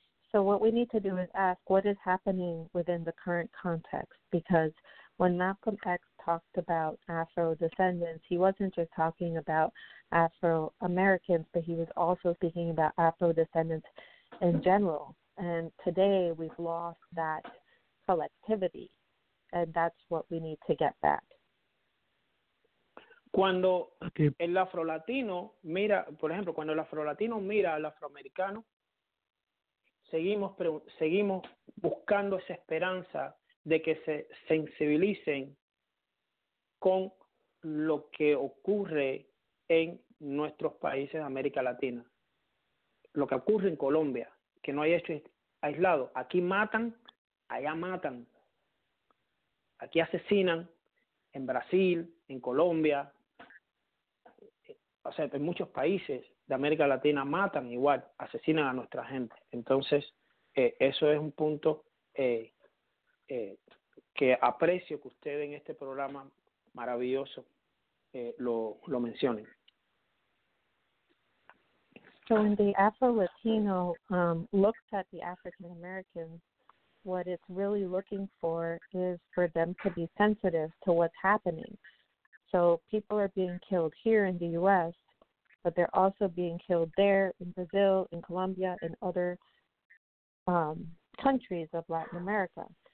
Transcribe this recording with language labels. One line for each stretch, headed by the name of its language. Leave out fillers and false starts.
English: So what we need to do is ask what is happening within the current context, because when Malcolm X talked about Afro-descendants, he wasn't just talking about Afro-Americans, but he was also speaking about Afro-descendants in general. And today we've lost that collectivity, and that's what we need to get back.
Spanish: Cuando el afro-latino mira, por ejemplo, cuando el afro-latino mira al afroamericano, seguimos buscando esa esperanza de que se sensibilicen con lo que ocurre en nuestros países de América Latina. Lo que ocurre en Colombia, que no hay hechos aislados. Aquí matan, allá matan. Aquí asesinan, en Brasil, en Colombia. O sea, en muchos países de América Latina matan igual, asesinan a nuestra gente. Entonces, eso es un punto que aprecio que ustedes en este programa maravilloso lo mencionen.
English: So when the Afro-Latino looks at the African-Americans, what it's really looking for is for them to be sensitive to what's happening. So people are being killed here in the U.S., but they're also being killed there in Brazil, in Colombia, in other countries of Latin America.